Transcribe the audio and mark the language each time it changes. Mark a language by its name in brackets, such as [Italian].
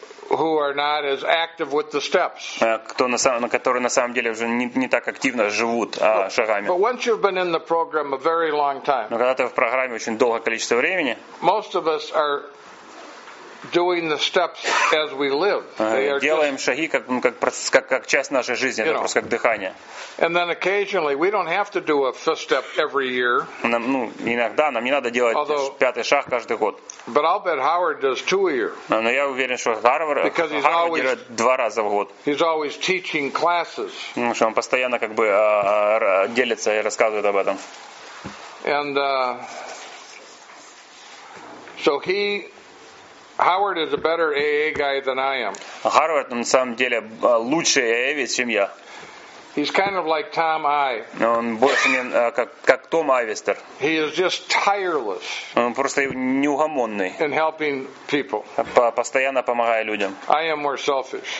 [English] Who are not as active with the steps. [Russian] Которые на самом деле уже не так активно живут шагами. [English] But once you've been in the program a very long time. [Russian] Но когда ты в программе очень долгое количество времени. [English] Most of us are doing the steps as we live. [Russian] Делаем шаги как часть нашей жизни, это просто как дыхание. [English] And then occasionally we don't have to do a fifth step every year. [Russian] Иногда нам не надо делать 5-й шаг каждый год. [English] But I'll bet Howard does 2 a year. [Russian] Но я уверен, что Гарвард делает 2 раза в год. [English] He's always teaching classes. [Russian] Что он постоянно делится и рассказывает об этом. [English] And so he Howard is a better AA guy than I am. [Russian] Гарвард на самом деле лучший AA, чем я. [English] He's kind of like Tom I. [Russian] Он больше мне как Том Айвестер. [English] He is just tireless. [Russian] Он просто неугомонный. [English] In helping people. [Russian] Постоянно помогая людям. [English] I am more selfish.